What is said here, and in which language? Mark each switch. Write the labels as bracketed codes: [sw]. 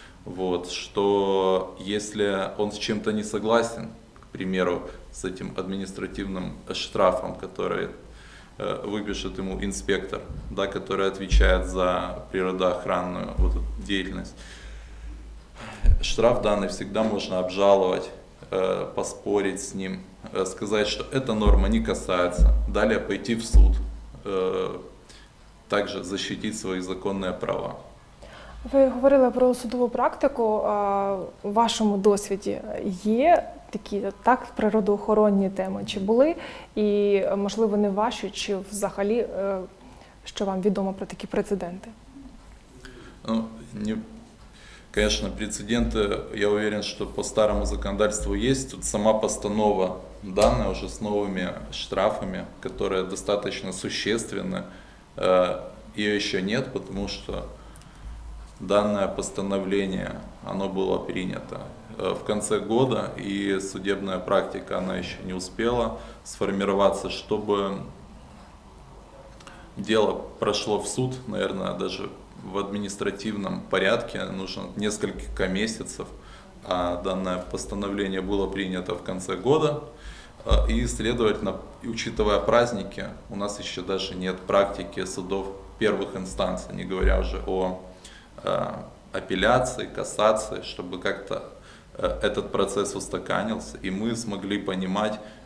[ru] Вот, что если он с чем-то не согласен, к примеру, с этим административным штрафом, который выпишет ему инспектор, да, который отвечает за природоохранную вот эту деятельность, штраф данный всегда можно обжаловать, поспорить с ним, сказать, что эта норма не касается, далее пойти в суд, также защитить свои законные права. [uk] Ви говорили про судову практику. У вашому досвіді є такі так природоохоронні теми, чи були? І, можливо, не ваші, чи взагалі, що вам відомо про такі прецеденти? Ну, звісно, прецеденти, я уверен, що по старому законодавству є. Тут сама постанова дана вже з новими штрафами, які достатньо существенні. Її ще немає, тому що [ru] данное постановление, оно было принято в конце года, и судебная практика, она еще не успела сформироваться, чтобы дело прошло в суд, наверное, даже в административном порядке, нужно несколько месяцев, а данное постановление было принято в конце года, и, следовательно, учитывая праздники, у нас еще даже нет практики судов первых инстанций, не говоря уже о апелляции, кассации, чтобы как-то этот процесс устаканился, и мы смогли понимать,